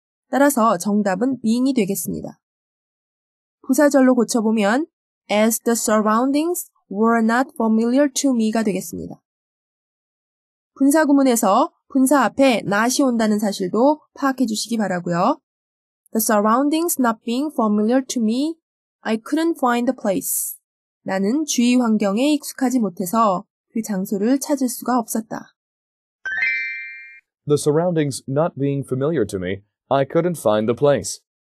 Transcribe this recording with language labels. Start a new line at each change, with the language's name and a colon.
Korean: 따라서 정답은 being이 되겠습니다. 부사절로 고쳐보면
English: as the surroundings were not familiar to me
Korean: 가 되겠습니다. 분사구문에서 분사 앞에 not이 온다는 사실도 파악해 주시기 바라고요.
English: The surroundings not being familiar to me, I couldn't find the place.
Korean: 나는 주위 환경에 익숙하지 못해서 그 장소를 찾을 수가 없었다.
English: The surroundings not being familiar to me, I couldn't find the place.